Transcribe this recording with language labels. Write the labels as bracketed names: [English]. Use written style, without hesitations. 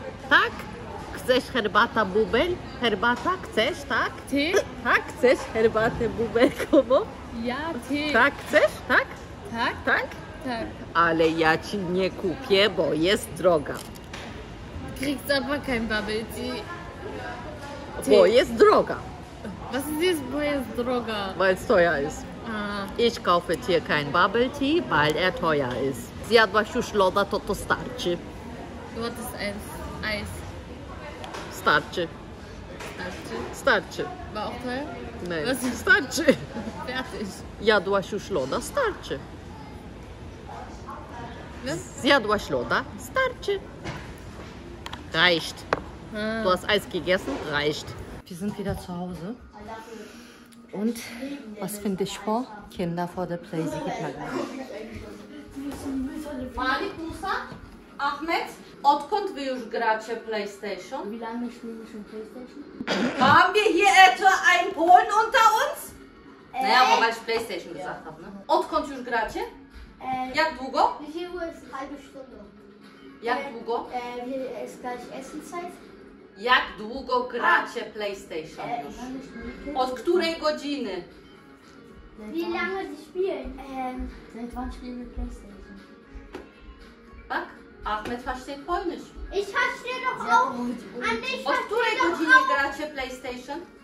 [Polish] Tak? Chcesz herbata bubel? Herbata chcesz, tak? Ty? Tak, chcesz herbatę bubelkową? Ja, ty. Tak, chcesz, tak? Tak? Tak? Tak. Ale ja ci nie kupię, bo jest droga. [German] Kriegst aber kein Bubble Tea. [Polish] Bo jest droga. [German] Was ist jetzt, [Polish] bo jest droga? [German] Weil es teuer ist. Ah. Ich kaufe dir kein Bubble Tea, weil teuer ist. [Polish] Zjadłaś już loda, to starczy. [English] What is Eis? [Polish] Starczy. Starczy? Starczy. [German] War auch teuer? Nein. [Polish] Starczy. [German] Fertig. [Polish] Jadłaś już loda, starczy. Zjadłaś loda, starczy. [German] Reicht. Du hast Eis gegessen, reicht. Wir sind wieder zu Hause. Und was finde ich vor? Kinder vor der Play. Sie geht mal rein. [Polish] Malik Musa, Ahmed, odkąd wy już gracie PlayStation? [German] Wie lange spielen wir schon PlayStation? Haben wir hier etwa einen Polen unter uns? Naja, weil ich PlayStation gesagt habe. Ne? [Polish] Odkąd już gracie? Jak długo? [German] Wie viel Uhr ist? Halbe Stunde. [Polish] Jak długo? [German] Wie ist gleich Essenzeit? [Polish] Jak długo gracie PlayStation już? Od której godziny? [German] Wie lange sie spielen? Seit wann spielen wir PlayStation? [Polish] Tak? [German] Ahmed versteht Polnisch. Ich verstehe doch auch. An dich [Polish] Od której godziny gracie PlayStation?